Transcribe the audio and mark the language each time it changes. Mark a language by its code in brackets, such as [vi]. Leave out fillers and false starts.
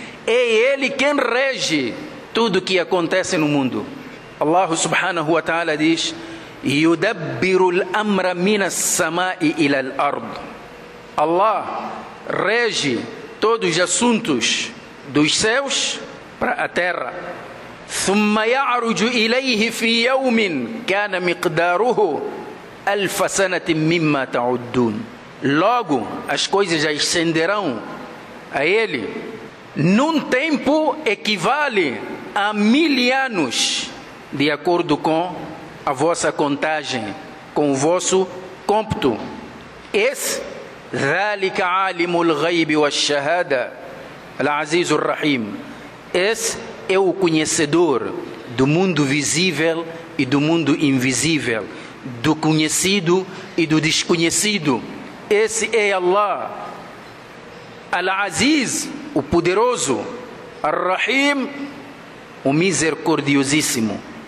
[pt] É Ele quem rege tudo que acontece no mundo. [ar] Allah subhanahu wa ta'ala [pt] diz: [ar] Yudabbiru al-amra min as-sama'i ila al-ard. [pt] Allah rege todos os assuntos dos céus para a terra. [ar] ثم يعرج إليه في يوم كان مقداره ألف سنة مما تعدون. [pt] Logo as coisas ascenderão a ele num tempo equivale a 1000 anos, de acordo com a vossa contagem, com o vosso cômputo. [ar] Esse ذلك عالم الغيب والشهادة العزيز الرحيم. [pt] Esse é o conhecedor do mundo visível e do mundo invisível, do conhecido e do desconhecido. Esse é Allah, Al-Aziz, o poderoso, Ar-Rahim, o misericordiosíssimo.